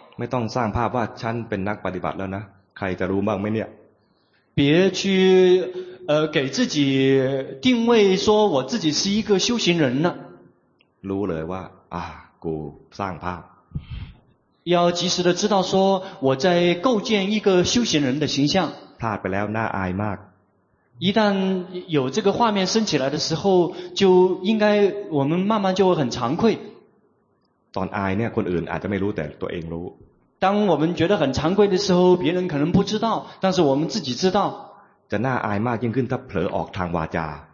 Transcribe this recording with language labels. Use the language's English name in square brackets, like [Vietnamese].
[Thai] ไม่ต้องสร้างภาพว่าฉันเป็นนักปฏิบัติแล้วนะใครจะรู้บ้างไหมเนี่ย [Chinese] 别去给自己定位说我自己是一个修行人呢 [Thai] รู้เลยว่ากูสร้างภาพ [Chinese] 要及时的知道说我在构建一个修行人的形象 [Thai] พลาดไปแล้วน่าอายมาก [Chinese] 一旦有这个画面升起来的时候就应该我们慢慢就会很惭愧 [Thai] ตอนอายเนี่ยคนอื่นอาจจะไม่รู้แต่ตัวเองรู้ [Chinese] 当我们觉得很惭愧的时候别人可能不知道但是我们自己知道 [Thai] จะน่าอายมากยิ่งขึ้นถ้าเผลอออกทางวาจา